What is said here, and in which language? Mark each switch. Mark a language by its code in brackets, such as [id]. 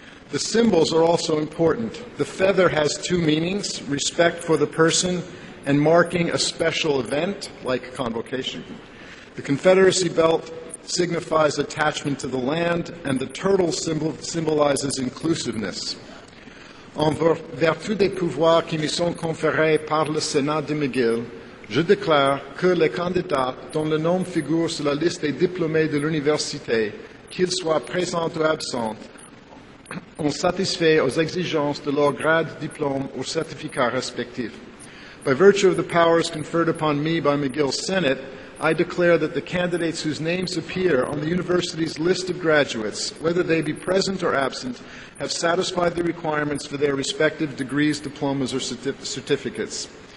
[en] The symbols are also important. The feather has two meanings, respect for the person and marking a special event like convocation. The Confederacy belt signifies attachment to the land, and the turtle symbolizes inclusiveness. [fr] En vertu des pouvoirs qui me sont conférés par le Sénat de McGill, je déclare que les candidats dont le nom figure sur la liste des diplômés de l'université, qu'ils soient présents ou absents, ont satisfait aux exigences de leur grade, diplôme ou certificat respectif. [en] By virtue of the powers conferred upon me by McGill's Senate, I declare that the candidates whose names appear on the university's list of graduates, whether they be present or absent, have satisfied the requirements for their respective degrees, diplomas, or certificates.